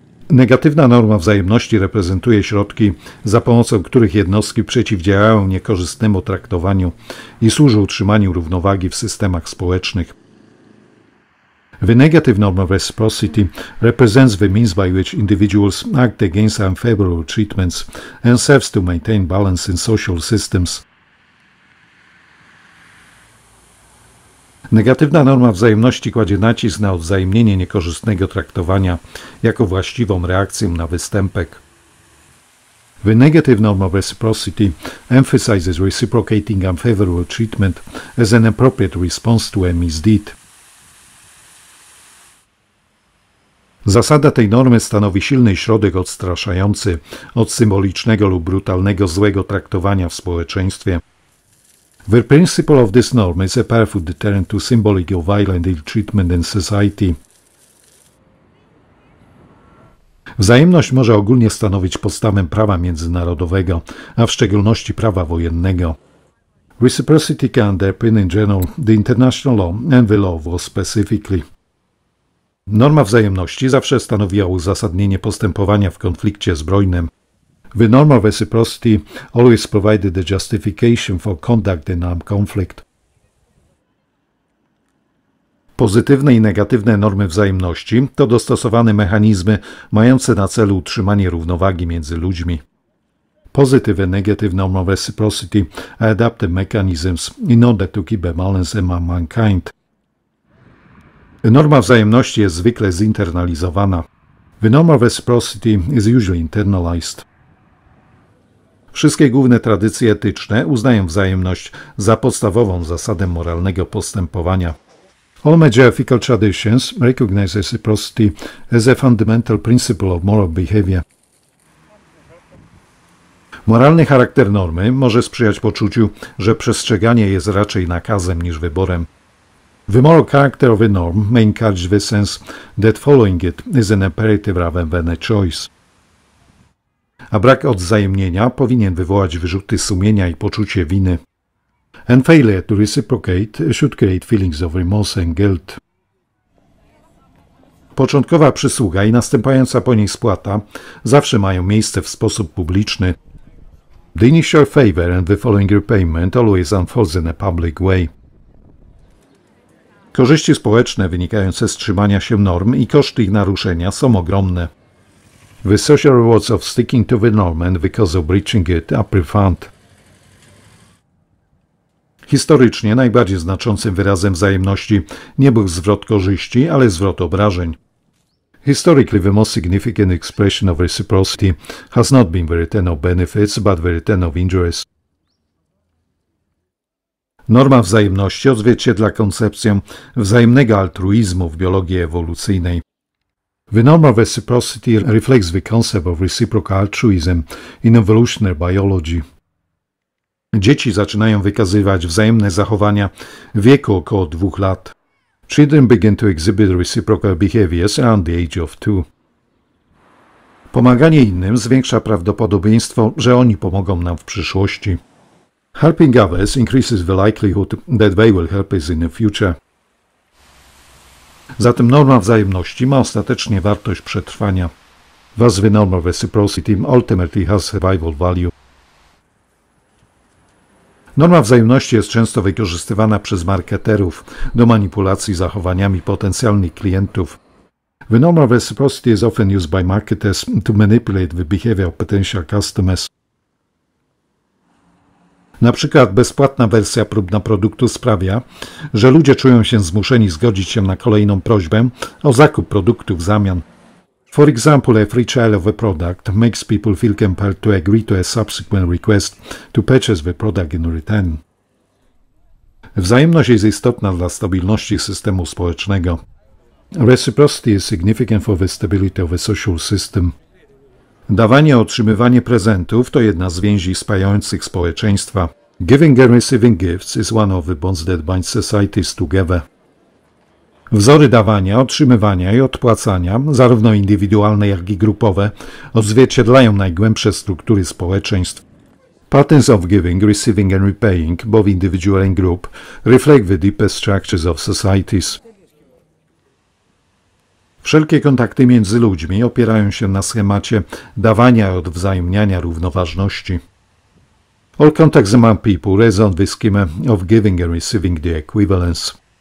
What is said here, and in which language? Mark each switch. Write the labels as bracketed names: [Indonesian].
[Polish] Negatywna norma wzajemności reprezentuje środki, za pomocą których jednostki przeciwdziałają niekorzystnemu traktowaniu i służy utrzymaniu równowagi w systemach społecznych. [English] The negative norm of reciprocity represents the means by which individuals act against unfavorable treatments and serves to maintain balance in social systems. [Polish] Negatywna norma wzajemności kładzie nacisk na odwzajemnienie niekorzystnego traktowania jako właściwą reakcję na występek. [English] The negative norm of reciprocity emphasizes reciprocating unfavorable treatment as an appropriate response to a misdeed. [Polish] Zasada tej normy stanowi silny środek odstraszający od symbolicznego lub brutalnego złego traktowania w społeczeństwie. [English] The principle of this norm is a powerful deterrent to symbolic or violent ill-treatment in society. [Polish] Wzajemność może ogólnie stanowić podstawę prawa międzynarodowego, a w szczególności prawa wojennego. [English] Reciprocity can underpin in general the international law and the law of war specifically. [Polish] Norma wzajemności zawsze stanowiła uzasadnienie postępowania w konflikcie zbrojnym. [English] The norm of reciprocity always provided the justification for conduct in armed conflict. [Polish] Pozytywne i negatywne normy wzajemności to dostosowane mechanizmy mające na celu utrzymanie równowagi między ludźmi. [English] Positive and negative norm of reciprocity are adaptive mechanisms in order to keep a balance among mankind. [Polish] Norma wzajemności jest zwykle zinternalizowana. [English] The norm of reciprocity is usually internalized. [Polish] Wszystkie główne tradycje etyczne uznają wzajemność za podstawową zasadę moralnego postępowania. [English] All major ethical traditions recognize reciprocity as a fundamental principle of moral behavior. [Polish] Moralny charakter normy może sprzyjać poczuciu, że przestrzeganie jest raczej nakazem niż wyborem. [English] The moral character of a norm may encourage the sense that following it is an imperative rather than a choice. [Polish] A brak odwzajemnienia powinien wywołać wyrzuty sumienia i poczucie winy. [English] And failure to reciprocate should create feelings of remorse and guilt. [Polish] Początkowa przysługa i następująca po niej spłata zawsze mają miejsce w sposób publiczny. [English] The initial favor and the following repayment always unfolds in a public way. [Polish] Korzyści społeczne wynikające z trzymania się norm i koszty ich naruszenia są ogromne. [English] The social rewards of sticking to the norm and the cost of breaching it are profound. [Polish] Historycznie najbardziej znaczącym wyrazem wzajemności nie był zwrot korzyści, ale zwrot obrażeń. [English] Historically, the most significant expression of reciprocity has not been the return of benefits, but the return of injuries. [Polish] Norma wzajemności odzwierciedla koncepcję wzajemnego altruizmu w biologii ewolucyjnej. [English] The norm of reciprocity reflects the concept of reciprocal altruism in evolutionary biology. [Polish] Dzieci zaczynają wykazywać wzajemne zachowania w wieku około 2 lat. [English] Children begin to exhibit reciprocal behaviors around the age of 2. [Polish] Pomaganie innym zwiększa prawdopodobieństwo, że oni pomogą nam w przyszłości. [English] Helping others increases the likelihood that they will help us in the future. [Polish] Zatem norma wzajemności ma ostatecznie wartość przetrwania. [English] Thus the norm of reciprocity ultimately has survival value. [Polish] Norma wzajemności jest często wykorzystywana przez marketerów do manipulacji zachowaniami potencjalnych klientów. [English] The norm of reciprocity is often used by marketers to manipulate the behavior of potential customers. [Polish] Na przykład bezpłatna wersja próbna produktu sprawia, że ludzie czują się zmuszeni zgodzić się na kolejną prośbę o zakup produktu w zamian. [English] For example, a free trial of a product makes people feel compelled to agree to a subsequent request to purchase the product in return. [Polish] Wzajemność jest istotna dla stabilności systemu społecznego. [English] Reciprocity is significant for the stability of a social system. [Polish] Dawanie i otrzymywanie prezentów to jedna z więzi spajających społeczeństwa. [English] Giving and receiving gifts is one of the bonds that bind societies together. [Polish] Wzory dawania, otrzymywania i odpłacania, zarówno indywidualne, jak i grupowe, odzwierciedlają najgłębsze struktury społeczeństw. [English] Patterns of giving, receiving and repaying, both individual and group, reflect the deepest structures of societies. [Polish] Wszelkie kontakty między ludźmi opierają się na schemacie dawania i odwzajemniania równoważności. [English] All contacts among people rest on the scheme of giving and receiving the equivalence.